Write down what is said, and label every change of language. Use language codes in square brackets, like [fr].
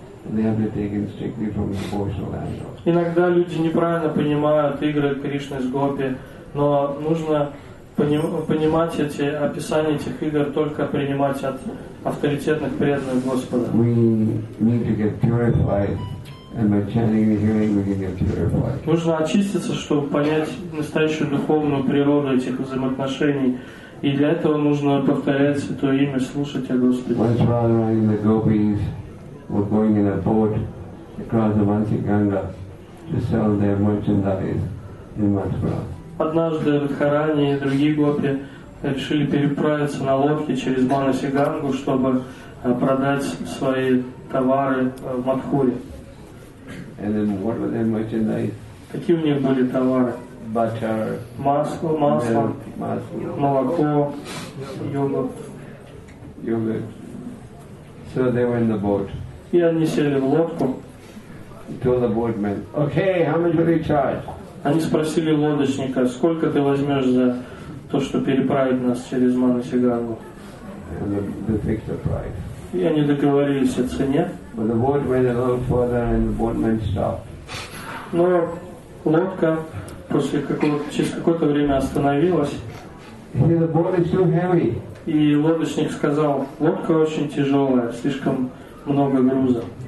[en] They have been taken strictly from the devotional angle. [ru] Иногда люди неправильно понимают игры Кришны с гопи, но нужно понимать эти описания этих игр только принимать от авторитетных преданных Господа. [en] We need to get purified, and by chanting and hearing, we can get purified. [ru] Нужно очиститься, чтобы понять настоящую духовную природу этих взаимоотношений. И для этого нужно повторять Святое Имя, слушать о Господе. [en] Once Radha Rani and the gopis were going in a boat across the Vansi Ganga to sell their merchandise in Mathura. [ru] Однажды Радхарани и другие гопи решили переправиться на лодке через Ванси Гангу, чтобы продать свои товары в Матхуре. [en] And then what were their merchandise? [ru] Какие у них были товары? [en] Butter, [ru] масло, молоко, йогурт. [en] So they were in the boat. [ru] И они сели в лодку. [en] to the boatman, okay, how much will you charge? [ru] Они спросили лодочника, сколько ты возьмешь за то, что переправить нас через Манусигангу? [en] The fixed price. [ru] И они договорились о цене. [en] But the boat went a little further and the boatman stopped. [ru] Но лодка после какого-то, через какое-то время остановилась. [en] See, the boat is too heavy. [ru] И лодочник сказал, лодка очень тяжелая, слишком много груза.